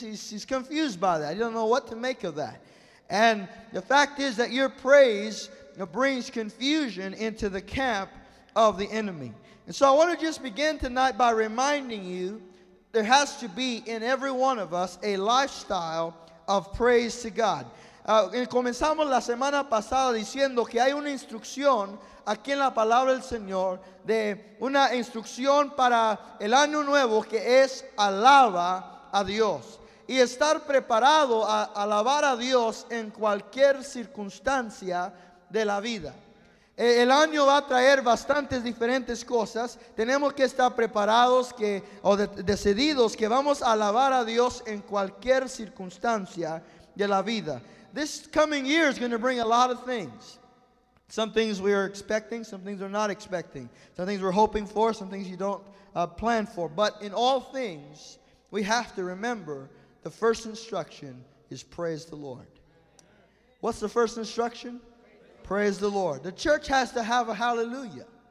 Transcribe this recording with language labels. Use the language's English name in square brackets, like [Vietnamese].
[English] He's confused by that. He don't know what to make of that. And the fact is that your praise brings confusion into the camp of the enemy. And so I want to just begin tonight by reminding you there has to be in every one of us a lifestyle of praise to God. [Spanish] Comenzamos la semana pasada diciendo que hay una instrucción aquí en la palabra del Señor, de una instrucción para el año nuevo que es alaba a Dios. Y estar preparado a alabar a Dios en cualquier circunstancia de la vida. El año va a traer bastantes diferentes cosas. Tenemos que estar preparados decididos que vamos a alabar a Dios en cualquier circunstancia de la vida. [English] This coming year is going to bring a lot of things. Some things we are expecting, some things we're not expecting. Some things we're hoping for, some things you don't plan for. But in all things, we have to remember the first instruction is praise the Lord. What's the first instruction? Praise the Lord. The church has to have a hallelujah.